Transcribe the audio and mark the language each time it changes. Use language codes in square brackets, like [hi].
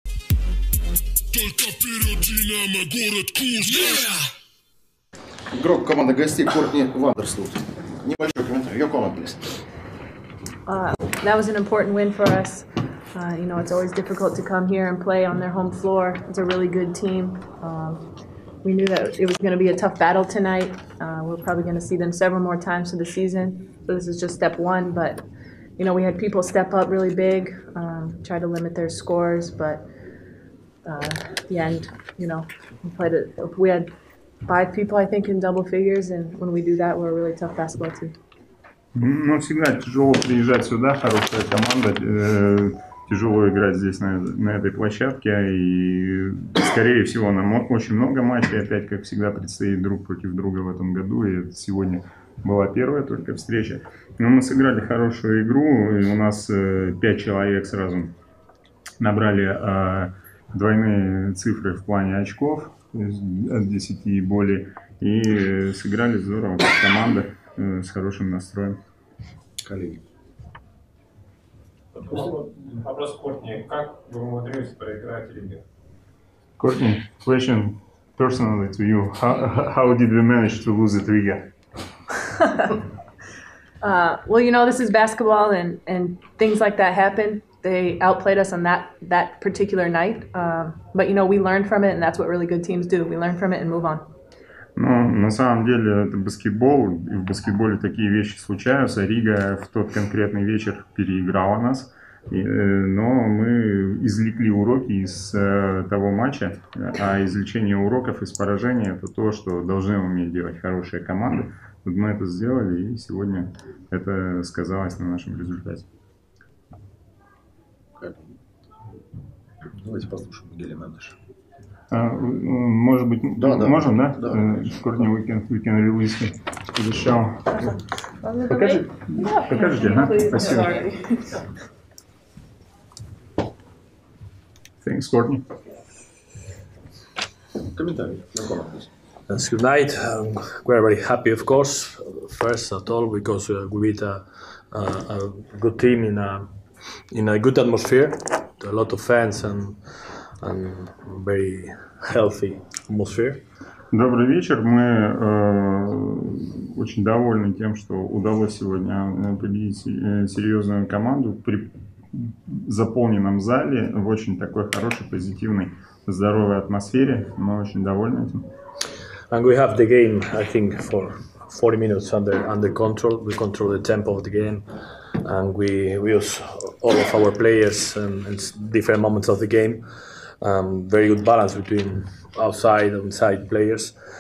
[ru] Только вперед, Динамо, город Курск! Игрок команды гостей Кортни Вандерслут. Небольшой комментарий. [en] Your comment, please. That was an important win for us. You know, it's always difficult to come here and play on their home floor. It's a really good team. We knew that it was going to be a tough battle tonight. We're probably going to see them several more times through the season. So this is just step one. But, you know, we had people step up really big, try to limit their scores. But the end, you know, we had five people, I think, in double figures. And when we do that, we're a really tough basketball team. [ru] Ну, всегда тяжело приезжать сюда, хорошая команда, тяжело играть здесь на этой площадке, и, скорее всего, нам очень много матчей, опять, как всегда, предстоит друг против друга в этом году, и это сегодня была первая только встреча. Но мы сыграли хорошую игру, и у нас 5 человек сразу набрали двойные цифры в плане очков, то есть от 10 и более, и сыграли здорово, как команда. С хорошим настроем. Коллеги. Вопрос Кортни. Как вы умудрились проиграть или нет? [en] Кортни, question personally to you. How did we manage to lose at Riga? Well, you know, this is basketball and things like that happen. They outplayed us on that particular night. But, you know, we learned from it, and that's what really good teams do. We learn from it and move on. [ru] Ну, на самом деле, это баскетбол, и в баскетболе такие вещи случаются. Рига в тот конкретный вечер переиграла нас, но мы извлекли уроки из того матча, а извлечение уроков из поражения – это то, что должны уметь делать хорошие команды. Вот мы это сделали, и сегодня это сказалось на нашем результате. Давайте послушаем Гелия Мендеша. Может быть, да, можем, да? Да. [en] Корни, we can release him. [ru] Покажите, да? Спасибо. [en] Thanks, Courtney. Комментарий. Good night. We're very happy, of course, first at all, because we beat a good team in a good atmosphere, a lot of fans and very healthy atmosphere. [ru] Добрый вечер. Мы очень довольны тем, что удалось сегодня победить серьезную команду при заполненном зале в очень такой хорошей, позитивной, здоровой атмосфере. Мы очень довольны этим. [en] And we have the game, I think, for 40 minutes under control. We control the tempo of the game. And we use all of our players in different moments of the game. Very good balance between outside and inside players.